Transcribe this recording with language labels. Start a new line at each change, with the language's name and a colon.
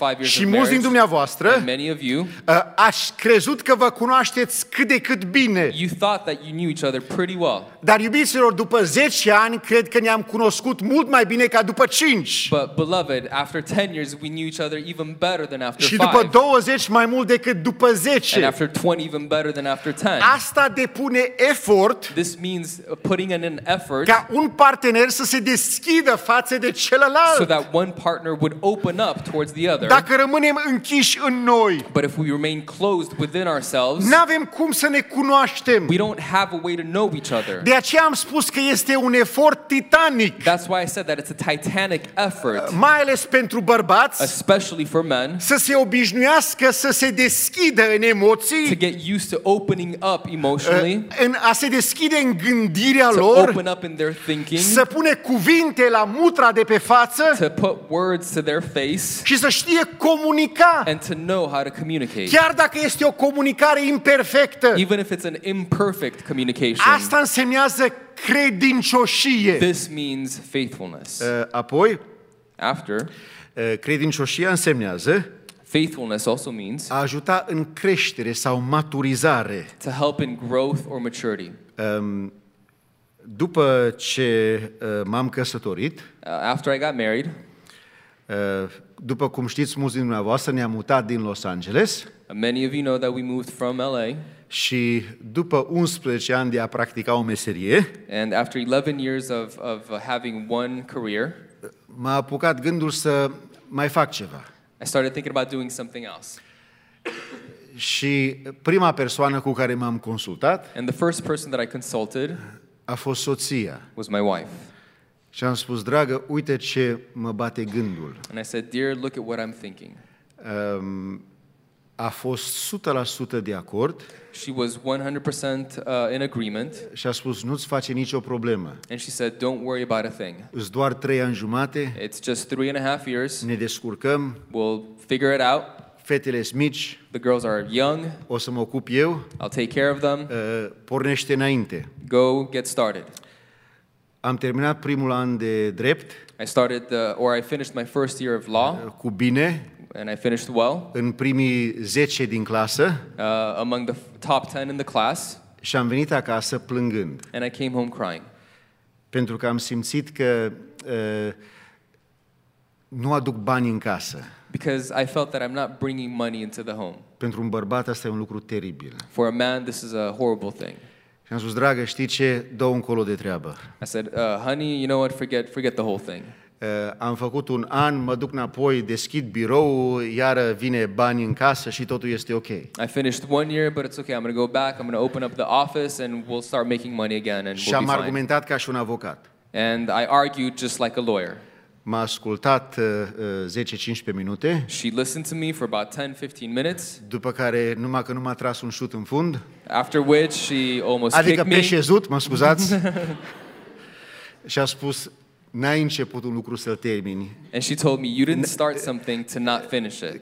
English: of marriage,
Romanian: și mulți din dumneavoastră,
English: many of you,
Romanian: aș crezut că vă cunoașteți cât de cât bine.
English: You thought that you knew each other pretty well.
Romanian: Dar iubiților, după 10 ani cred că ne-am cunoscut mult mai bine ca după 5.
English: But beloved, after 10 years we knew each other even better than after
Romanian: 5. Și după 20 mai mult decât după 10.
English: And after 20 even better than after 10.
Romanian: Asta depune efort.
English: This means putting in an effort,
Romanian: ca un partener să se deschidă față de celălalt,
English: so that one partner would open up towards the other.
Romanian: Dacă rămânem închiși în noi,
English: but if we remain closed within ourselves,
Romanian: n-avem cum să ne cunoaștem.
English: We don't have a way to know each other.
Romanian: De aceea am spus că este un efort titanic.
English: That's why I said that it's a titanic effort.
Romanian: Mai ales pentru bărbați,
English: especially for men,
Romanian: să se obișnuiască să se deschidă în emoții,
English: to get used to opening up emotionally,
Romanian: în a se deschide în gândirea lor,
English: open up in their thinking,
Romanian: să pune cuvinte la mutra de pe față,
English: to put words to their face,
Romanian: și să știe comunica,
English: and to know how to communicate,
Romanian: chiar dacă este o comunicare imperfectă.
English: Even if it's an imperfect communication.
Romanian: Asta înseamnă credincioșie.
English: This means faithfulness.
Romanian: Apoi,
English: after,
Romanian: credincioșia înseamnă,
English: faithfulness also means,
Romanian: a ajuta în creștere sau maturizare,
English: to help in growth or maturity.
Romanian: După ce m-am căsătorit,
English: after I got married,
Romanian: după cum știți mulți din dumneavoastră, ne-am mutat din Los Angeles.
English: Many of you know that we moved from LA.
Romanian: Și după 11 ani de a practica o meserie,
English: and after 11 years of having one career,
Romanian: m-a apucat gândul să mai fac ceva.
English: I started thinking about doing something else.
Romanian: Și prima persoană cu care m-am consultat,
English: and the first person that I consulted,
Romanian: a fost soția,
English: was my wife.
Romanian: Și am spus, dragă, uite ce mă bate gândul.
English: And I said, dear, look at what I'm thinking.
Romanian: A fost 100% de acord.
English: She was 100% in agreement.
Romanian: Și a spus, nu-ți face nicio problemă.
English: And she said, don't worry about a thing.
Romanian: Îs doar 3 ani jumate.
English: It's just 3.5 years.
Romanian: Ne descurcăm.
English: We'll figure it out.
Romanian: Fetele sunt mici.
English: The girls are young.
Romanian: O să mă ocup eu.
English: I'll take care of them.
Romanian: Pornește înainte.
English: Go get started.
Romanian: Am terminat primul an de drept.
English: I finished my first year of law.
Romanian: Cu bine.
English: And I finished well.
Romanian: În primii 10 din clasă.
English: Among the top 10 in the class.
Romanian: Și am venit acasă plângând.
English: And I came home crying.
Romanian: Pentru că am simțit că nu aduc bani în casă.
English: Because I felt that I'm not bringing money into the home.
Romanian: Pentru un bărbat asta e un lucru teribil.
English: For a man this is a horrible thing.
Romanian: Și am spus, dragă, știi ce? Dă-o încolo de treabă.
English: I said, honey, you know what? Forget the whole thing.
Romanian: Am făcut un an, mă duc înapoi, deschid birou, iară vine bani în casă și totul este ok.
English: I finished one year, but it's okay. I'm going to go back. I'm going to open up the office and we'll start making money again and we'll be fine.
Romanian: Și am argumentat ca și un avocat.
English: And I argued just like a lawyer.
Romanian: M-a ascultat 10-15 minute.
English: She listened to me for about 10-15 minutes.
Romanian: După care numai că nu m-a tras un șut în fund.
English: After which she almost
Romanian: adică
English: kicked me.
Romanian: Adică pe șezut, mă scuzați. Și a spus, n-ai început un lucru să-l termini.
English: And she told me, you didn't start something to not finish it.